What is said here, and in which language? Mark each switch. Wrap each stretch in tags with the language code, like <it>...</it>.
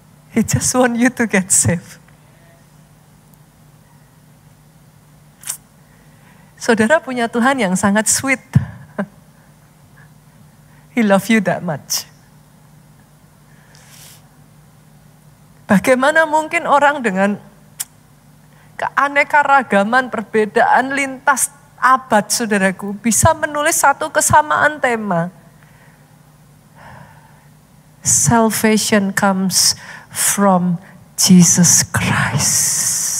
<en>He just want you to get safe.</en> <id>Saudara punya Tuhan yang sangat sweet.</id> <en>He love you that much.</en> <id>Bagaimana mungkin orang dengan keanekaragaman, perbedaan lintas abad, saudaraku, bisa menulis satu kesamaan tema?</id> <en>Salvation comes from Jesus Christ.</en>